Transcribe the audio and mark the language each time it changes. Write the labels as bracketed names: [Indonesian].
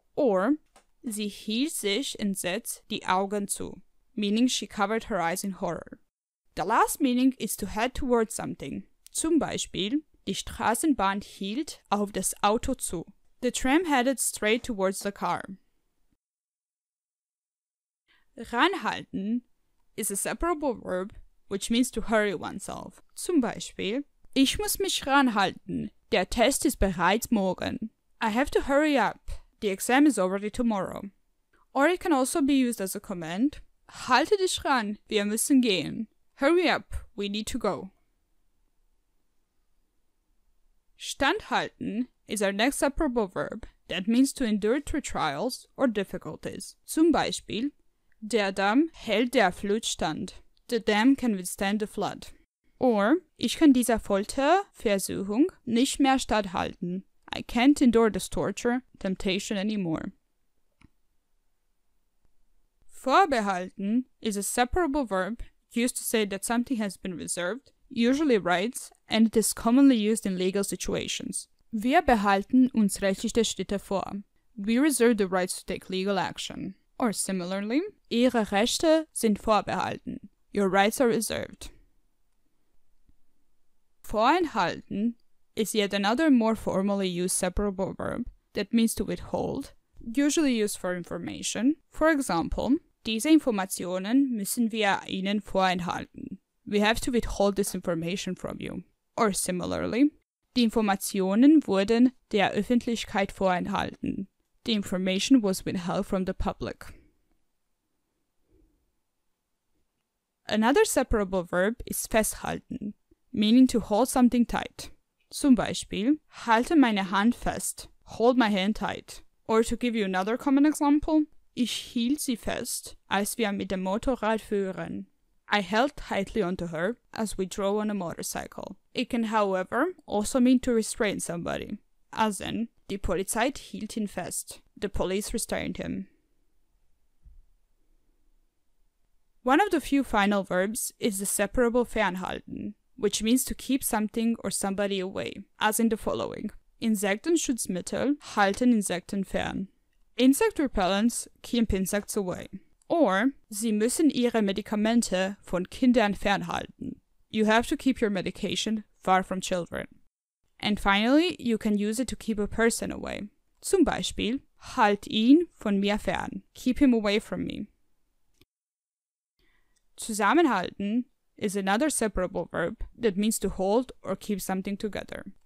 [English] Or, [German] sie hielt sich entsetzt die Augen zu, [English] meaning she covered her eyes in horror. The last meaning is to head towards something. [German] Zum Beispiel, die Straßenbahn hielt auf das Auto zu. [English] The tram headed straight towards the car. ranhalten is a separable verb, which means to hurry oneself. [German] Zum Beispiel, ich muss mich ranhalten. Der Test ist bereits morgen. [English] I have to hurry up. The exam is already tomorrow. Or it can also be used as a command. [German] Halte dich ran, wir müssen gehen. [English] Hurry up, we need to go. Standhalten is our next separable verb. That means to endure through trials or difficulties. [German] Zum Beispiel, der Damm hält der Flut stand. [English] The dam can withstand the flood. [German] Or, ich kann dieser Folterversuchung nicht mehr standhalten. [English] I can't endure this torture, temptation anymore. Vorbehalten is a separable verb used to say that something has been reserved, usually rights, and it is commonly used in legal situations. [German] Wir behalten uns rechtliche Schritte vor. [English] We reserve the rights to take legal action. Or similarly, [German] Ihre Rechte sind vorbehalten. [English] Your rights are reserved. Vorenthalten is yet another more formally used separable verb that means to withhold, usually used for information. For example, [German] diese Informationen müssen wir Ihnen vorenthalten. [English] We have to withhold this information from you. Or similarly, [German] die Informationen wurden der Öffentlichkeit vorenthalten. [English] The information was withheld from the public. Another separable verb is festhalten, meaning to hold something tight. [German] Zum Beispiel, halte meine Hand fest, [English] hold my hand tight. Or to give you another common example, [German] ich hielt sie fest, als wir mit dem Motorrad fuhren. [English] I held tightly onto her as we drove on a motorcycle. It can, however, also mean to restrain somebody, as in, [German] die Polizei hielt ihn fest, [English] the police restrained him. One of the few final verbs is the separable fernhalten, which means to keep something or somebody away, as in the following. [German] Insektenschutzmittel halten Insekten fern. [English] Insect repellents keep insects away. [German] Or, Sie müssen Ihre Medikamente von Kindern fernhalten. [English] You have to keep your medication far from children. And finally, you can use it to keep a person away. [German] Zum Beispiel, halt ihn von mir fern. [English] Keep him away from me. Zusammenhalten is another separable verb that means to hold or keep something together.